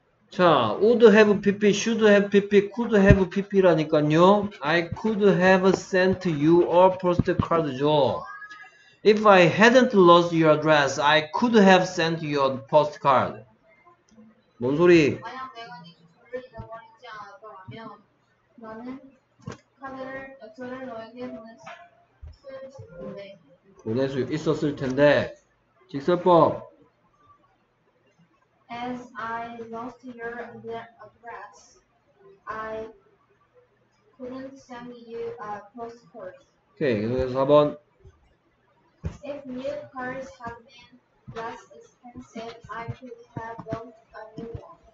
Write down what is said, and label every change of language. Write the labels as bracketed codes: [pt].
[en] 자, would have pp, should have pp, could have pp [ko] 라니까요. [en] I could have sent you a postcard. If I hadn't lost your address, I could have sent you a postcard. [ko] 뭔 소리? 만약 내가 네 주소를 잃어버리지 않았더라면 나는 카드를 너에게 보낼 수 있을 텐데. 보낼 수 있었을 텐데. 직설법. [en] As I lost your address, I couldn't send you a postcard. [ko] Okay, 계속해서 4번. [en] If new cars had been less expensive, I could have bought a new one.